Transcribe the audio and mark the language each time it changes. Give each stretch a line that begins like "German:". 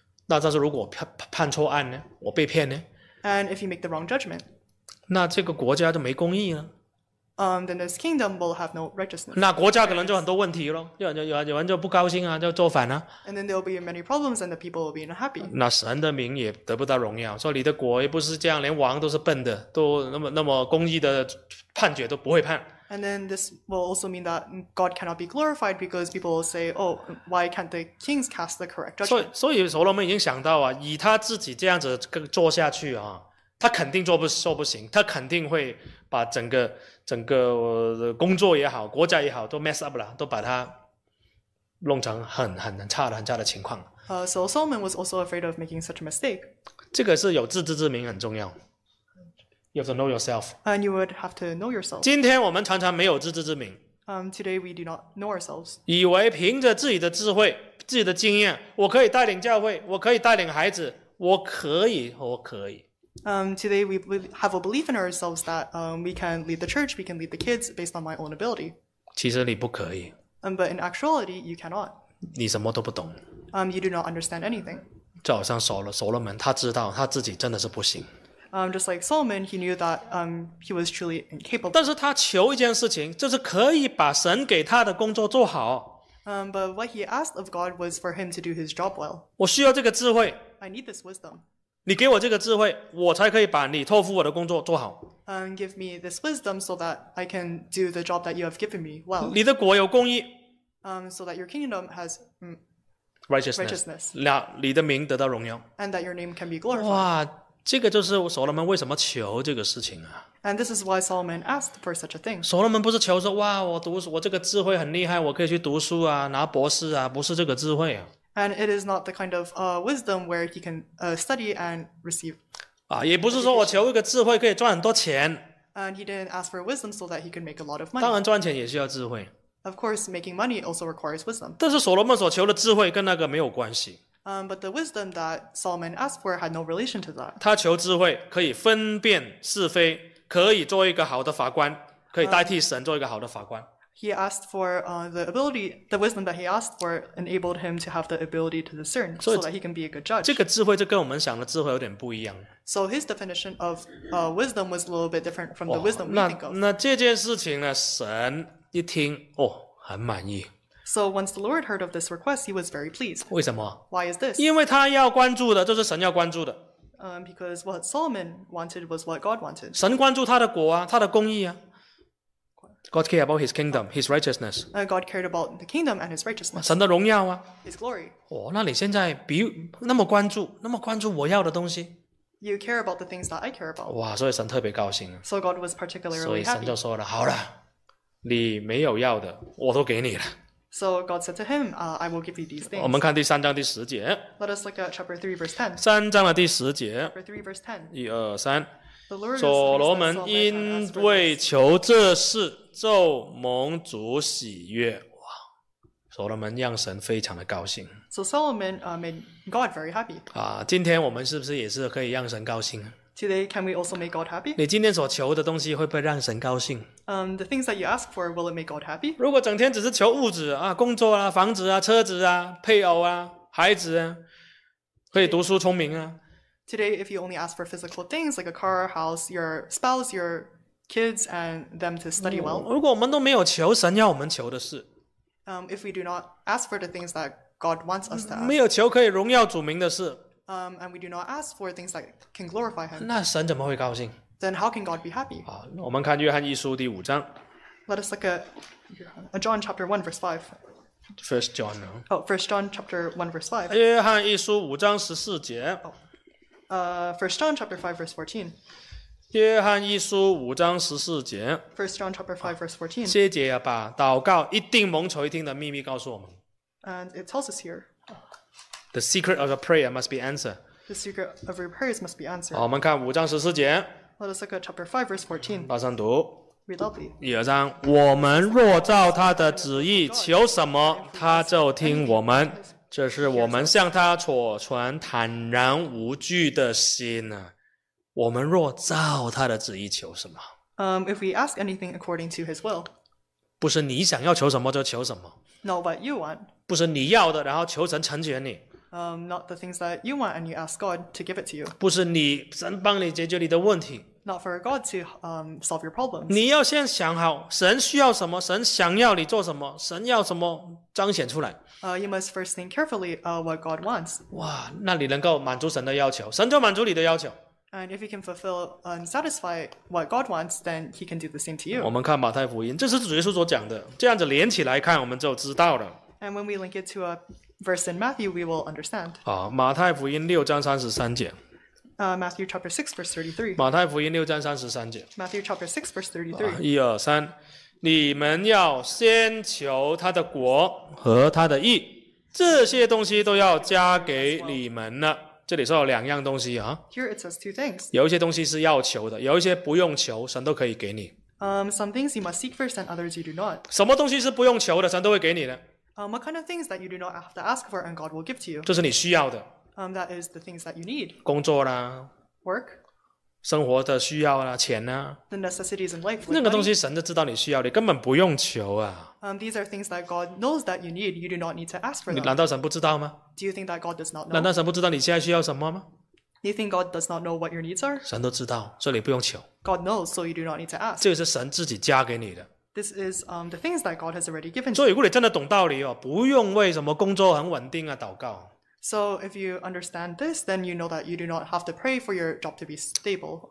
Chinese: 那但是如果判错案呢？我被骗呢
English: ？And if you make the wrong judgment，
Chinese: 那这个国家就没公义了。
English: Then this kingdom will have no righteousness.
Chinese: 那国家可能就很多问题了，有人就不高兴啊，就造反啊。
English: And then there will be many problems, and the people will be unhappy.
Chinese: 那神的名也得不到荣耀，说你的国也不是这样，连王都是笨的，都那么公义的判决都不会判。
English: And then this will also mean that God cannot be glorified because people will say, "Oh, why can't the kings cast the correct judgment?"
Chinese: 所以所罗门已经想到啊，以他自己这样子做下去啊，他肯定做不行，他肯定会把整个工作也好，国家也好，都
English: mess up
Chinese: 了，都把它弄成很差的情况。
English: So Solomon was also afraid of making such a mistake.
Chinese: 这个是有自知之明很重要。
English: You have to know yourself. And you would have to know yourself.
Chinese: 今天我们常常没有自知之明。
English: Today we do not know ourselves.
Chinese: 以为凭着自己的智慧、自己的经验，我可以带领教会，我可以带领孩子，我可以。
English: Today we have a belief in ourselves that we can lead the church, we can lead the kids based on my own ability.
Chinese: 其实你不可以。
English: But in actuality, you cannot.
Chinese: 你什么都不懂。
English: You do not understand anything.
Chinese: 就好像所罗门，他知道他自己真的是不行。
English: Just like Solomon, he knew that he was truly incapable.
Chinese: 但是他求一件事情，就是可以把神给他的工作做好。
English: But what he asked of God was for him to do his job well.
Chinese: 我需要这个智慧。
English: I need this wisdom.
Chinese: 你给我这个智慧，我才可以把你托付我的工作做好。
English: Give me this wisdom so that I can do the job that you have given me well.
Chinese: 你的国有公义。
English: So that your kingdom has righteousness.
Chinese: 你的名得到荣耀。
English: And that your name can be glorified.
Chinese: 哇，这个就是所罗门为什么求这个事情啊。
English: And this is why Solomon asked for such a thing.
Chinese: 所罗门不是求说，哇，我这个智慧很厉害，我可以去读书啊，拿博士啊，不是这个智慧啊。
English: And it is not the kind of wisdom where he can study and receive.
Chinese: 啊，也不是说我求一个智慧可以赚很多钱。
English: And he didn't ask for wisdom so that he could make a lot of money.
Chinese: 当然，赚钱也需要智慧。
English: Of course, making money also requires wisdom.
Chinese: 但是所罗门所求的智慧跟那个没有关系。
English: But the wisdom that Solomon asked for had no relation to that.
Chinese: 他求智慧可以分辨是非，可以做一个好的法官，可以代替神做一个好的法官。
English: He asked for the wisdom that he asked for enabled him to have the ability to discern so that he can be a good judge.
Chinese: 这个智慧就跟我们想的智慧有点不一样。
English: So his definition of wisdom was a little bit different from the wisdom we think of.
Chinese: 那这件事情呢，神一听，哦，很满意。
English: So once the Lord heard of this request, he was very pleased.
Chinese: 为什么？
English: Why is this?
Chinese: 因为他要关注的就是神要关注的。
English: Because what Solomon wanted was what God wanted.
Chinese: 神关注他的国啊，他的公义啊。
English: God cared about His kingdom, His righteousness. God cared about the kingdom and His righteousness.
Chinese: 神的荣耀啊
English: ，His glory.
Chinese: 哦，那你现在比那么关注，那么关注我要的东西。
English: You care about the things that I care about.
Chinese: 哇，所以神特别高兴。
English: So God was particularly happy.
Chinese: 所以神就说了，好了，你没有要的，我都给你了。
English: So God said to him, "I will give you these things."
Chinese: 我们看第三章第十节。
English: Let us look at chapter 3 verse 10.
Chinese: 三章的第十节。
English: Chapter 3 verse 10.
Chinese: 一二三。所罗门因为求这事，就蒙主喜悦。哇，所罗门让神非常的高兴。
English: So Solomon made God very happy.
Chinese: 啊，今天我们是不是也是可以让神高兴
English: ？Today, can we also make God happy?
Chinese: 你今天所求的东西会不会让神高兴
English: ？The things that you ask for, will it make God happy?
Chinese: 如果整天只是求物质啊，工作啊，房子啊，车子啊，配偶啊，孩子啊，可以读书聪明啊。
English: Today, if you only ask for physical things like a car, house, your spouse, your kids, and them to study well,
Chinese: 如果我们都没有求神要我们求的事
English: if we do not ask for the things that God wants us to ask,
Chinese: 没有求可以荣耀主名的事
English: and we do not ask for things that can glorify Him,
Chinese: 那神怎么会高兴？
English: Then how can God be happy?
Chinese: 我们看约翰一书第五章。
English: Let us look at John chapter 1 verse 5. First John. Oh, First John chapter 1 verse 5.
Chinese: 约翰一书五章十四节。
English: First John chapter 5 verse 14.
Chinese: 约翰一书五章十四节。
English: First John chapter 5 verse 14.
Chinese: 这节要把祷告一定蒙垂听的秘密告诉我们。
English: And it tells us here. The secret of your prayer must be answered. The secret of your prayers must be answered.
Chinese: 好，我们看五章十四节。
English: Let us look at chapter 5, verse 14.
Chinese: 马上读。
English: Read up.
Chinese: 一二三，我们若照他的旨意求什么，他就听我们。这是我们向他所存坦然无惧的心啊。我们若照他的旨意求什么？
English: If we ask anything according to his will.
Chinese: 不是你想要求什么就求什么。
English: Not what you want.
Chinese: 不是你要的，然后求神成全你。
English: Not the things that you want, and you ask God to give it to you.
Chinese: 不是你神帮你解决你的问题。
English: Not for God to solve your problems.
Chinese: 你要先想好神需要什么，神想要你做什么，神要什么彰显出来。
English: You must first think carefully what God wants.
Chinese: 哇，那你能够满足神的要求，神就满足你的要求。
English: And if you can fulfill and satisfy what God wants, then He can do the same to you.
Chinese: 我们看马太福音，这是主耶稣所讲的，这样子连起来看，我们就知道了。
English: And when we link it to a verse in Matthew, we will understand.
Chinese: 好，马太福音六章三十三节。
English: Matthew chapter 6 verse 33.
Chinese: 马太福音六章三十三节。
English: Matthew chapter 6 verse 33.
Chinese: 一二三，你们要先求他的国和他的义，这些东西都要加给你们了。这里说有两样东西啊。
English: Here it says two things.
Chinese: 有一些东西是要求的，有一些不用求，神都可以给你。
English: Some things you must seek first and others you do not.
Chinese: 什么东西是不用求的，神都会给你的。
English: What kind of things that you do not have to ask for and God will give to you?
Chinese: 这是你需要的。
English: That is the things that you need.
Chinese: 工作啦。
English: Work.
Chinese: 生活的需要啦，钱啦。
English: The necessities in life.
Chinese: 那个东西神就知道你需要，你根本不用求啊。
English: These are things that God knows that you need. You do not need to ask for them.
Chinese: 难道神不知道吗？
English: Do you think that God does not know?
Chinese: 难道神不知道你现在需要什么吗？
English: Do you think God does not know what your needs are?
Chinese: 神都知道，所以你不用求。
English: God knows, so you do not need to ask.
Chinese: 这个是神自己加给你的。
English: This is the things that God has already given.
Chinese: 所以如果你真的懂道理哦，不用为什么工作很稳定啊祷告。
English: So if you understand this, then you know that you do not have to pray for your job to be stable.